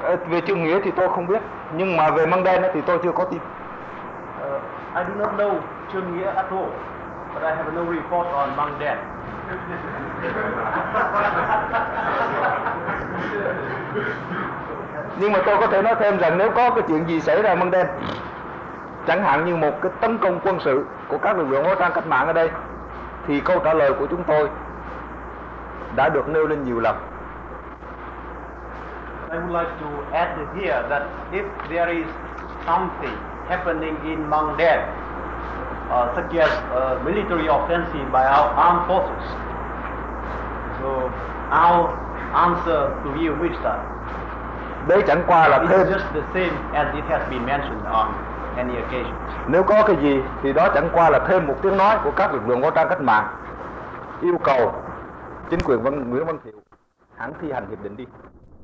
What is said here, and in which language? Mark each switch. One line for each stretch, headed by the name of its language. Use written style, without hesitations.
Vietnamese: Về Trương Nghĩa thì tôi không biết, nhưng mà về Măng Đen thì tôi chưa có tin.
English: I do not know Trương Nghĩa at all, but I have no report on Măng Đen.
Vietnamese: Nhưng mà tôi có thể nói thêm rằng nếu có cái chuyện gì xảy ra Măng Đen, chẳng hạn như một cái tấn công quân sự của các lực lượng vũ trang cách mạng ở đây, thì câu trả lời của chúng tôi đã được nêu lên nhiều lần.
English: I would like to add here that if there is something happening in Măng Đen, such as a military offensive by our armed forces, so our answer to you is that
Vietnamese: đấy chẳng qua là
English: it is just the same as it has been mentioned on any occasion.
Vietnamese: Nếu có cái gì thì đó chẳng qua là thêm một tiếng nói của các lực lượng vũ trang cách mạng yêu cầu chính quyền Nguyễn Văn Thiệu hãng thi hành hiệp định đi.